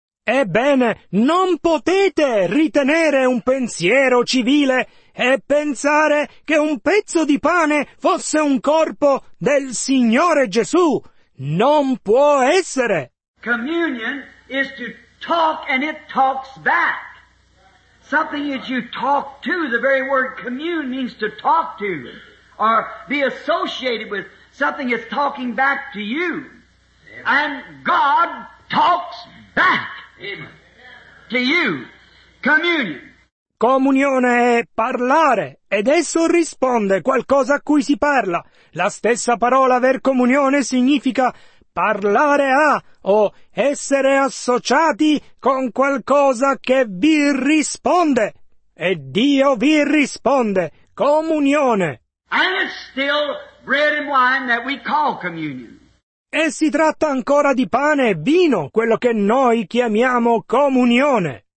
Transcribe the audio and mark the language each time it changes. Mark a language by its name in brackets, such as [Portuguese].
[Italian] Ebbene, non potete ritenere un pensiero civile e pensare che un pezzo di pane fosse un corpo del Signore Gesù. Non può essere. [English] Communion is to talk and it talks back. Something that you talk to, the very word commune means to talk to, or be associated with, something is talking back to you. Amen. And God talks back. Amen. To you. Communion. [Italian] Comunione è parlare, ed esso risponde qualcosa a cui si parla. La stessa parola aver comunione significa parlare a o essere associati con qualcosa che vi risponde. E Dio vi risponde. Comunione. [English] And it's still bread and wine that we call communion. [Italian] E si tratta ancora di pane e vino, quello che noi chiamiamo comunione.